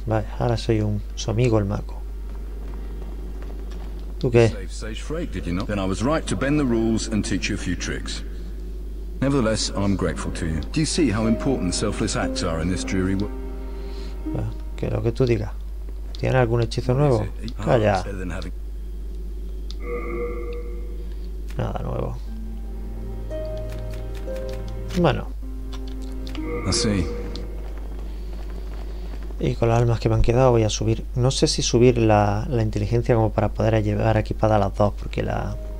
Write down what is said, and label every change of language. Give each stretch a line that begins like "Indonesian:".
Spanish: vale, ahora soy su amigo el mago. ¿Tú qué?
English: Then I was right to bend the rules and teach you a few tricks. Nevertheless, I'm grateful to you. Do you see how important selfless acts are in this dreary world?
Spanish: Que lo que tú digas. ¿Tiene algún hechizo nuevo? Calla. Nada nuevo. Bueno. Así. Y con las almas que me han quedado voy a subir. No sé si subir la inteligencia como para poder llevar equipada las dos, porque la.